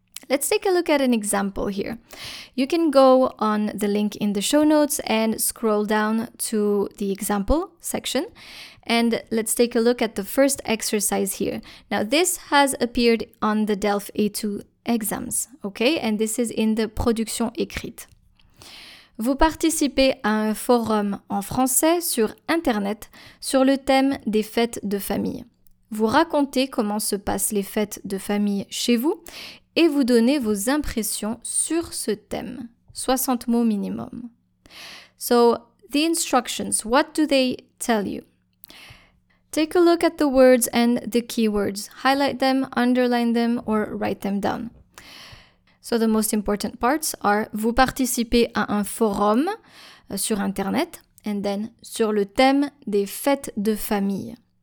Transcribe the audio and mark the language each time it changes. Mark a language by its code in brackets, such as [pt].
[en] Let's take a look at an example here. You can go on the link in the show notes and scroll down to the example section. And let's take a look at the first exercise here. Now, this has appeared on the DELF A2 exams, okay? And this is in the production écrite. [fr] Vous participez à un forum en français sur Internet sur le thème des fêtes de famille. Vous racontez comment se passent les fêtes de famille chez vous et vous donnez vos impressions sur ce thème. 60 mots minimum. [en] So, the instructions, what do they tell you? Take a look at the words and the keywords. Highlight them, underline them, or write them down. So the most important parts are [fr] vous participez à un forum sur Internet, [en] and then [fr] sur le thème des fêtes de famille.